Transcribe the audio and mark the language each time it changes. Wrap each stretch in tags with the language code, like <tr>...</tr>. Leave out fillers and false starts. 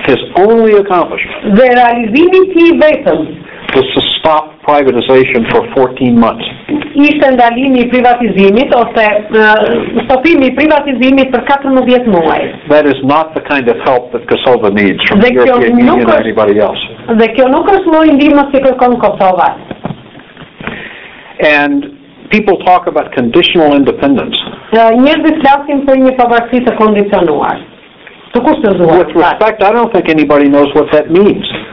<sq>dhe realizimi I tij vetëm,</sq> <en>was to stop privatization for 14 months.</en> <sq>Ishte ndalimi I privatizimit ose stopimi I privatizimit për 14 muaj.</sq> <en>That is not the kind of help that Kosovo needs from the European Union or anybody else.</en> <sq>Dhe kjo nuk është lloj ndihmës që kërkon Kosova.</sq> <en>And people talk about conditional independence.</en> <sq>Njerëzit flasin për një pavarësi të kondicionuar.</sq> <en>With respect, I don't think anybody knows what that means.</en>